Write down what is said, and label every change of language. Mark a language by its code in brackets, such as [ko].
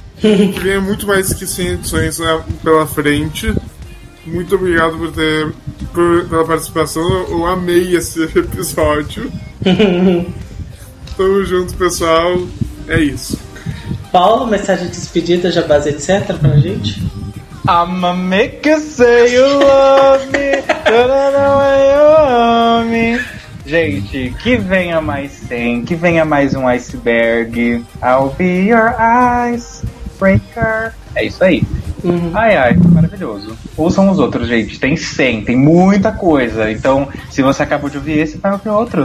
[pt] Que vem muito mais que 100 edições, né, pela frente. Muito obrigado pela participação. Eu amei esse episódio. Tamo junto, pessoal. É isso. Paulo, mensagem de despedida, já base de seta pra gente. [en] I'ma make you say you love me. Don't know why you want me. [pt] Gente, que venha mais 100, que venha mais um iceberg. [en] I'll be your icebreaker. [pt] É isso aí. Ai, ai, maravilhoso. Ouçam os outros, gente. Tem 100, tem muita coisa. Então, se você acabou de ouvir esse, vai ouvir outro.